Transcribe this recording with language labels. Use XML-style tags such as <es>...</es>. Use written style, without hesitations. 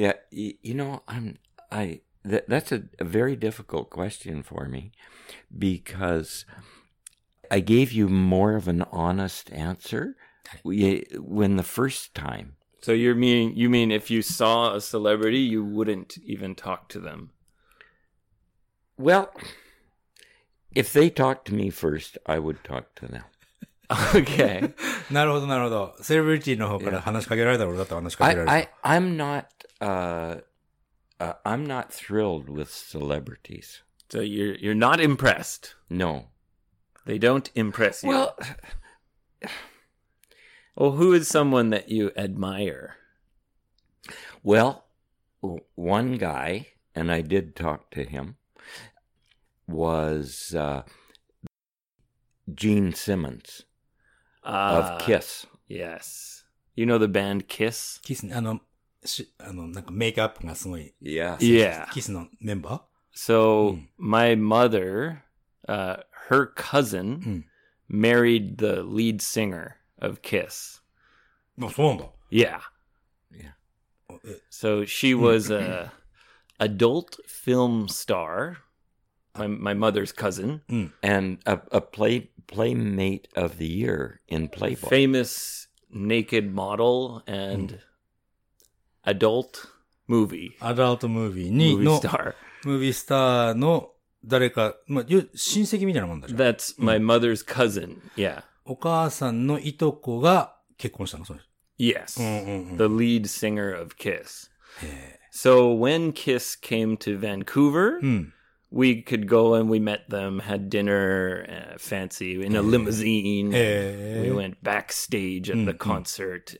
<en>You know, that's a very difficult question for me because I gave you more of an honest answer when the first time. So you mean if you saw a celebrity, you wouldn't even talk to them? Well, if they talked to me first, I would talk to them. Okay.</en> <ja>なるほど、なるほど。セレブリティの方から話しかけられたら俺だったら話しかけられる。</ja> <en>I'm not thrilled with celebrities. So you're not impressed? No. They don't impress you? Well, who is someone that you admire? Well, one guy, and I did talk to him, was Gene Simmons of Kiss. Yes. You know the band Kiss?</en> <ja>Kiss, なんかメイクアップがすごい。</ja> <en>Yeah.</en> <ja>Kiss のメンバー?</ja> <en>So, my mother, her cousin, married the lead singer of Kiss.</en> <ja>あ、そうなんだ。</ja> <en>Yeah. So, she was an adult film star. My mother's cousin. And a playmate of the year in Playboy. Famous naked model and adult movie. Adult movie. Movie star. Movie star</en> <ja>の誰か、まあ、親戚みたいなもんだじゃん。</ja> <en>That's my mother's cousin. Yeah.</en> <ja>お母さんのいとこが結婚したの、そうです。</ja> <en>Yes. The lead singer of Kiss. So when Kiss came to Vancouver, we could go and we met them, had dinner fancy in a limousine. We went backstage at the concert.</en>